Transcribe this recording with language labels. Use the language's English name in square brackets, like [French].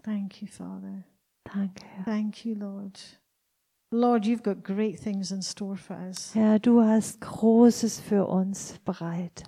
[English] Thank you, Father. [German] Danke, Herr. [English] Thank you, Lord. Lord, you've got great things in store for us. [German] Ja, du hast Großes für uns bereit.